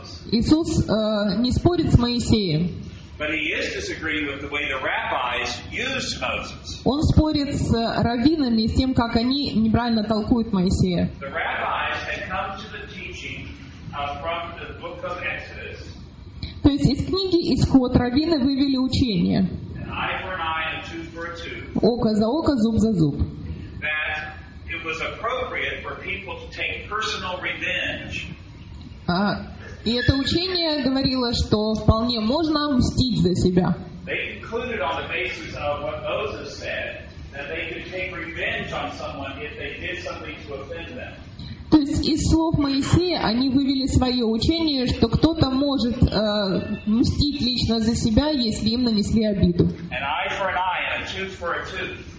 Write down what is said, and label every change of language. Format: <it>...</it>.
<ru>Иисус не спорит с Моисеем.</ru> <en>But he is disagreeing with the way the rabbis used Moses.</en> <ru>Он спорит с раввинами с тем, как они неправильно толкуют Моисея.</ru> <en>The rabbis had come to the teaching from the book of Exodus.</en> <ru>То есть из книги Исход раввины вывели учение.</ru> <en>An eye for an eye and tooth for a tooth.</en> <ru>Око за око, зуб за зуб.</ru> <en>That it was appropriate for people to take personal revenge.</en> <ru>И это учение говорило, что вполне можно мстить за себя.</ru> <en>They concluded on the basis of what Moses said, that they could take revenge on someone if they did something to offend them.</en> <ru>То есть из слов Моисея они вывели свое учение, что кто-то может мстить лично за себя, если им нанесли обиду.</ru> <en>An eye for an eye and a tooth for a tooth.</en>